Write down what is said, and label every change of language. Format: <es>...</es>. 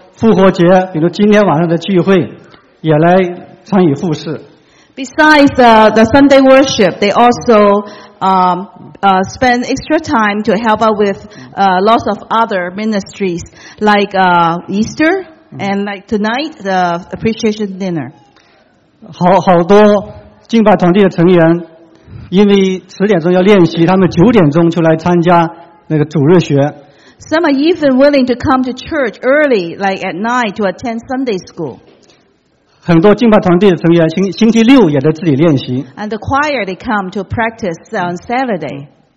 <zh>复活节，比如今天晚上的聚会，也来参与服事。</zh> <en>Besides the Sunday worship, they also spend extra time to help out with lots of other ministries, like Easter and like tonight the appreciation dinner.</en> <zh>好多敬拜团队的成员，因为十点钟要练习，他们九点钟就来参加那个主日学。</zh> <en>Some are even willing to come to church early, like at night, to attend Sunday school.</en> <zh>很多敬拜团队的成员星期六也在自己练习。</zh> <en>And the choir, they come to practice on Saturday.</en>